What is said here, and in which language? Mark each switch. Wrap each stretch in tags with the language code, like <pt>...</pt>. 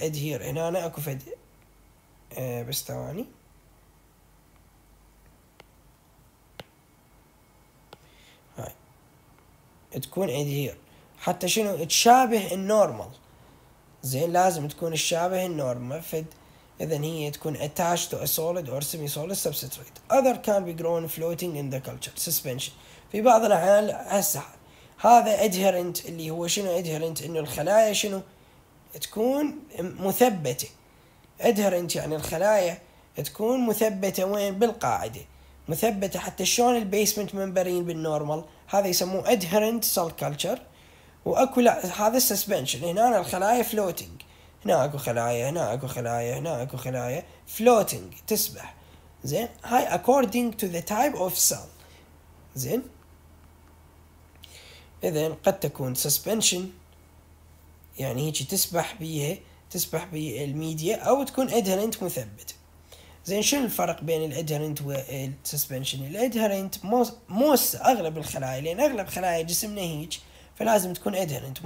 <ar>adhere هنا انا اكو فد بس ثواني تكون ادهير، حتى شنو تشابه النورمال. زين لازم تكون الشابه النورمال، فد اذا هي تكون</ar> <en>attached to a solid or semi solid substrate. Other can be grown floating in the culture suspension.</en> <ar>في بعض الاحيان هسه هذا adherent، اللي هو شنو adherent؟ انه الخلايا شنو تكون مثبته. adherent يعني الخلايا تكون مثبته وين؟ بالقاعده، مثبته حتى شلون البيسمنت ممبرين بالنورمال، هذا يسموه adherent cell culture. واكو لا هذا suspension، هنا الخلايا floating، هنا اكو خلايا، هنا اكو خلايا، هنا اكو خلايا floating تسبح. زين هاي</ar> <en>according to the type of cell.</en> <ar>زين اذا قد تكون suspension يعني هيجي تسبح بيها، تسبح بالميديا، او تكون adherent مثبت. زين شنو الفرق بين الادهرنت والسسبنشن؟ الادهرنت موس اغلب الخلايا، لان اغلب خلايا جسمنا هيج، فلازم تكون ادهرنت.</ar>